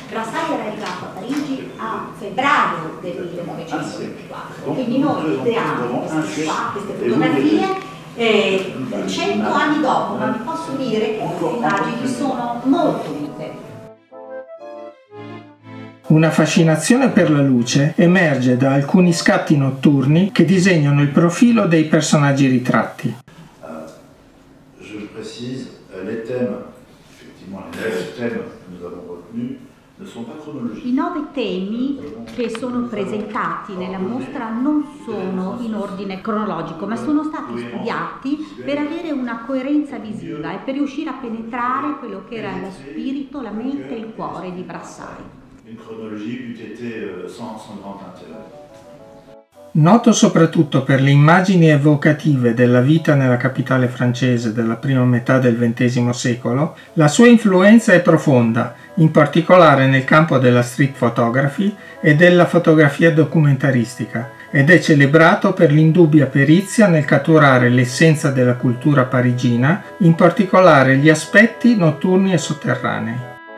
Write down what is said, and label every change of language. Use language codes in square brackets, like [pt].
[it] Brassailles era arrivato a Parigi a febbraio del 1924, quindi noi creiamo queste fotografie 100 anni dopo, ma vi posso dire che queste immagini sono molto unite. Una fascinazione per la luce emerge da alcuni scatti notturni che disegnano il profilo dei personaggi ritratti. [fr] Je précise, les thèmes, effectivement, les thèmes que nous avons retenus, ne sont pas chronologiques. [it] I 9 temi che sono presentati nella mostra non sono in ordine cronologico, ma sono stati studiati per avere una coerenza visiva e per riuscire a penetrare quello che era lo spirito, la mente e il cuore di Brassai. [fr] Une chronologie eût été sans son grand intérêt. [it] Noto soprattutto per le immagini evocative della vita nella capitale francese della prima metà del XX secolo, la sua influenza è profonda, in particolare nel campo della street photography e della fotografia documentaristica, ed è celebrato per l'indubbia perizia nel catturare l'essenza della cultura parigina, in particolare gli aspetti notturni e sotterranei.